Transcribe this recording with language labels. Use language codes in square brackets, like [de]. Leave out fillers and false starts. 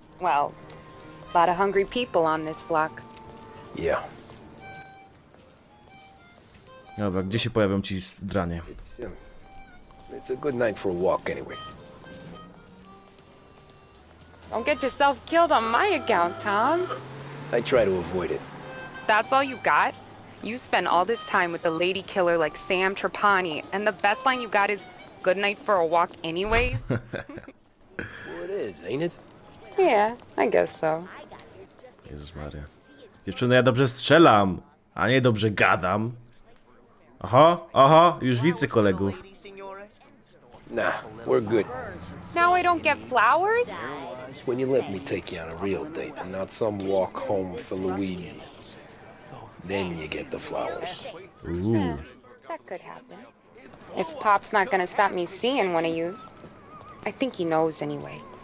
[en] Well, a lot of hungry people on this block. Yeah. [pl] Dobra, gdzie się pojawią ci dranie? [en] It's a good night for a walk anyway. Don't get yourself killed on my account, Tom. I try to avoid it. That's all you got? You spend all this time with a lady killer like Sam Trapani, and the best line you got is good night for a walk anyway? Well, it is, ain't it? Yeah, I guess so. [pl] Jezus Maria. Dziewczyny, ja dobrze strzelam, a nie dobrze gadam. Aha, aha, już widzę kolegów. [en] Nah, we're good. Now I don't get flowers? It's when you let me take you on a real date and not some walk home for Luigi. Then you get the flowers. Ooh. That could happen. If Pop's not gonna stop me seeing one of yous, I think he knows anyway.